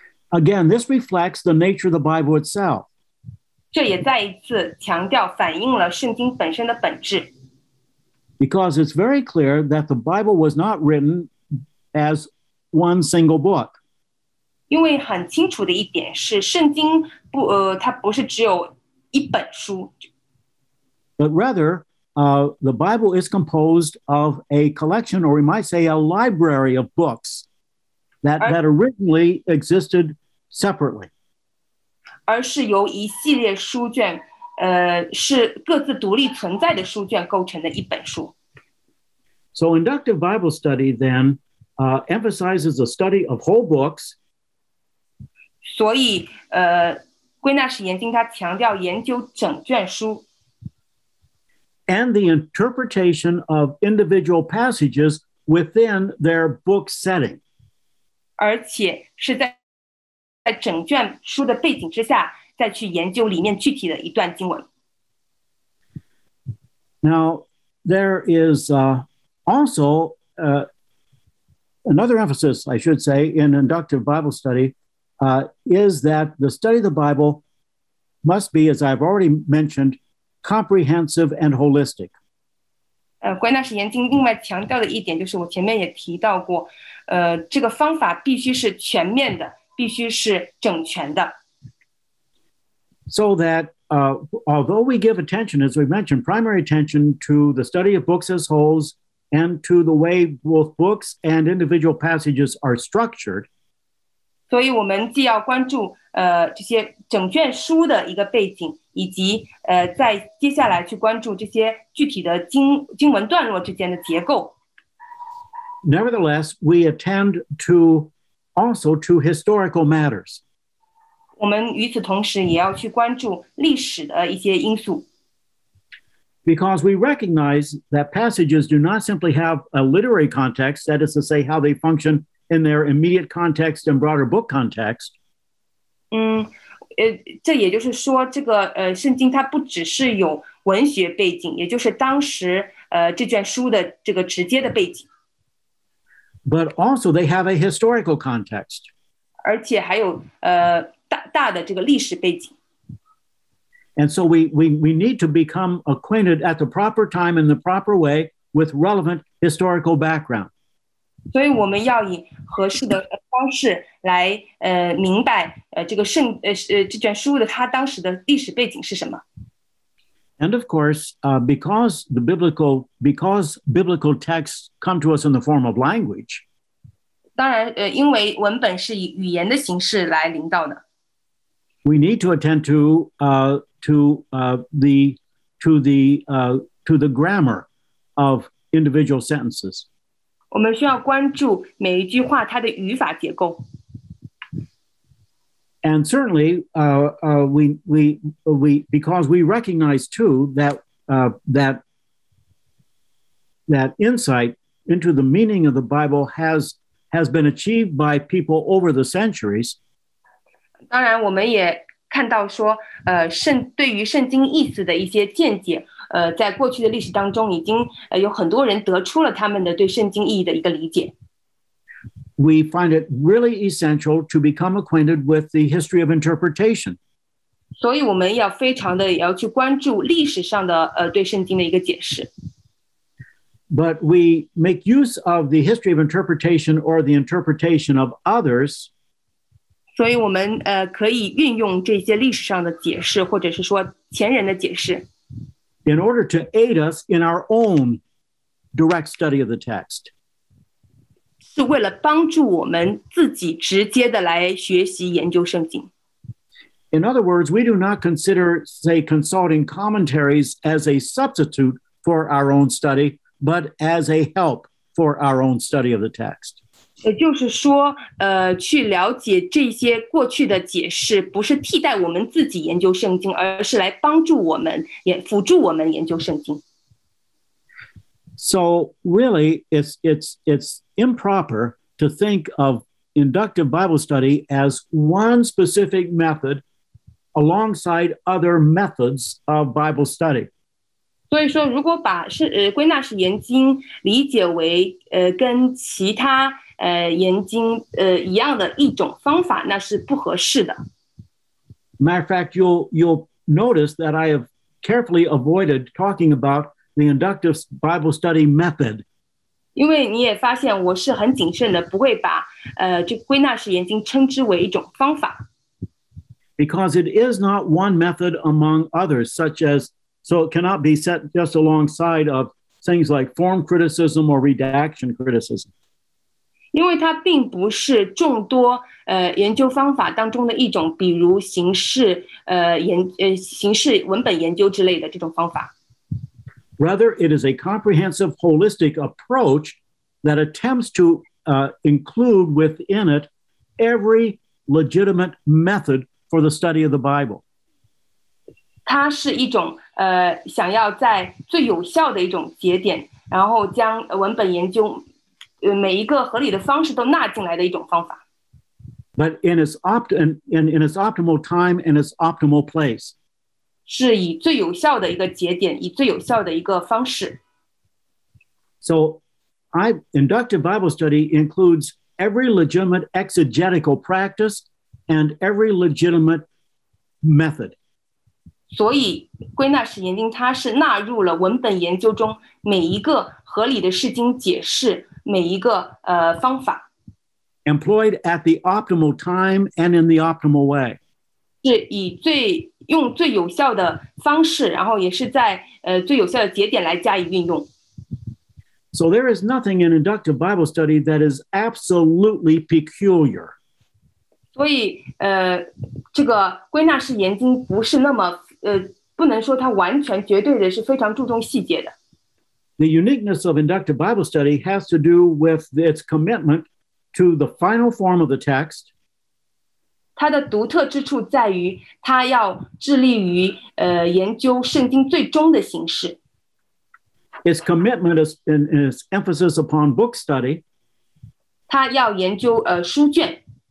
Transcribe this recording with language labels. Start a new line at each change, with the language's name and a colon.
English: Again, this reflects the nature of the Bible itself.
Chinese: 这也再一次强调反映了圣经本身的本质。
English: Because it's very clear that the Bible was not written as one single book.
Chinese: 因为很清楚的一点是圣经不它不是只有一本书。
English: But rather, the Bible is composed of a collection, or we might say a library of books that originally existed separately.
Chinese: 而是由一系列书卷是各自独立存在的书卷构成的一本书。
English: So inductive Bible study then emphasizes the study of whole books.
Chinese: 所以归纳式研经它强调研究整卷书。
English: And the interpretation of individual passages within their book setting.
Chinese: 而且是在整卷书的背景之下再去研究里面具体的一段经文。
English: Now, there is also another emphasis, I should say, in inductive Bible study is that the study of the Bible must be, as I've already mentioned, comprehensive and holistic.
Chinese: 归纳式研经另外强调的一点就是我前面也提到过这个方法必须是全面的，必须是整全的。
English: So that although we give attention, as we mentioned, primary attention to the study of books as wholes, and to the way both books and individual passages are structured.
Chinese: 所以我们既要关注这些整卷书的一个背景，以及在接下来去关注这些具体的经文段落之间的结构。
English: Nevertheless, we attend to also to historical matters.
Chinese: 我们与此同时也要去关注历史的一些因素。
English: Because we recognize that passages do not simply have a literary context, that is to say, how they function in their immediate context and broader book context.
Chinese: 这也就是说这个圣经它不只是有文学背景，也就是当时这卷书的这个直接的背景。
English: But also they have a historical context.
Chinese: 而且还有大的这个历史背景。
English: And so we need to become acquainted at the proper time in the proper way with relevant historical background.
Chinese: 所以我们要以合适的方式来明白这卷书的它当时的历史背景是什么。
English: And of course, because biblical texts come to us in the form of language.
Chinese: 当然因为文本是以语言的形式来领导的。
English: We need to attend to the grammar of individual sentences.
Chinese: 我们需要关注每一句话它的语法结构。
English: And certainly, because we recognize too that insight into the meaning of the Bible has been achieved by people over the centuries.
Chinese: 当然，我们也看到说，对于圣经意思的一些见解，在过去的历史当中，已经有很多人得出了他们的对圣经意义的一个理解。
English: We find it really essential to become acquainted with the history of interpretation.
Chinese: 所以我们要非常的要去关注历史上的对圣经的一个解释。
English: But we make use of the history of interpretation or the interpretation of others.
Chinese: 所以我们可以运用这些历史上的解释，或者是说前人的解释。
English: In order to aid us in our own direct study of the text.
Chinese: 是为了帮助我们自己直接的来学习研究圣经。
English: In other words, we do not consider, say, consulting commentaries as a substitute for our own study, but as a help for our own study of the text.
Chinese: 也就是说，去了解这些过去的解释，不是替代我们自己研究圣经，而是来帮助我们，也辅助我们研究圣经。
English: So really, it's improper to think of inductive Bible study as one specific method alongside other methods of Bible study.
Chinese: 所以说，如果把归纳式研经理解为跟其他研经一样的一种方法，那是不合适的。
English: Matter of fact, you'll notice that I have carefully avoided talking about the inductive Bible study method.
Chinese: 因为你也发现我是很谨慎的，不会把这归纳式研经称之为一种方法。
English: Because it is not one method among others, such as, so it cannot be set just alongside of things like form criticism or redaction criticism.
Chinese: 因为它并不是众多研究方法当中的一种，比如形式文本研究之类的这种方法。
English: Rather, it is a comprehensive, holistic approach that attempts to include within it every legitimate method for the study of the Bible.
Chinese: 它是一种想要在最有效的一种节点，然后将文本研究每一个合理的方式都纳进来的一种方法。
English: But in its optimal time and its optimal place.
Chinese: 是以最有效的一个节点，以最有效的一个方式。
English: So, inductive Bible study includes every legitimate exegetical practice and every legitimate method.
Chinese: 所以，归纳式研经它是纳入了文本研究中每一个合理的释经解释，每一个方法。
English: Employed at the optimal time and in the optimal way.
Chinese: 是以最用最有效的方式，然后也是在最有效的节点来加以运用。
English: So there is nothing in inductive Bible study that is absolutely peculiar.
Chinese: 所以这个归纳式研经不是那么不能说它完全绝对的是非常注重细节的。
English: The uniqueness of inductive Bible study has to do with its commitment to the final form of the text.
Chinese: 它的独特之处在于，它要致力于研究圣经最终的形式。
English: Its commitment is in its emphasis upon book study.
Chinese: 它要研究书卷。